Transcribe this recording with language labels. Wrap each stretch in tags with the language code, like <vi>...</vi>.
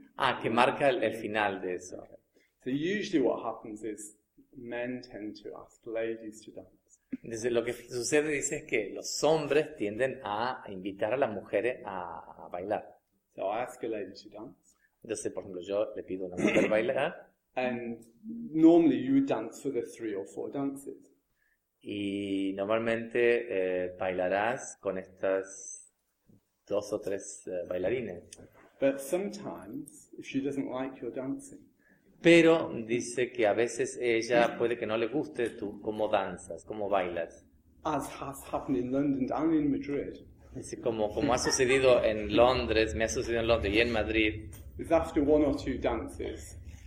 <es>Ah, que marca el final de eso.</es> <en>So usually what happens is men tend to ask ladies to dance.</en> <es>Entonces lo que sucede dice es que los hombres tienden a invitar a las mujeres a bailar.</es> <en>So I ask a lady to dance.</en> <es>Entonces, por ejemplo, yo le pido a una mujer bailar.</es> <en>And normally you would dance for the three or four dances.</en> <es>Y normalmente bailarás con estas dos o tres bailarines.</es> <en>But sometimes if she doesn't like your dancing.</en> <es>Pero dice que a veces ella puede que no le guste tú cómo danzas, cómo bailas.</es> <en>As has happened in London and in Madrid.</en> <es>Dice como ha sucedido en Londres, me ha sucedido en Londres y en Madrid.</es> <en>It's after one or two dances.</en>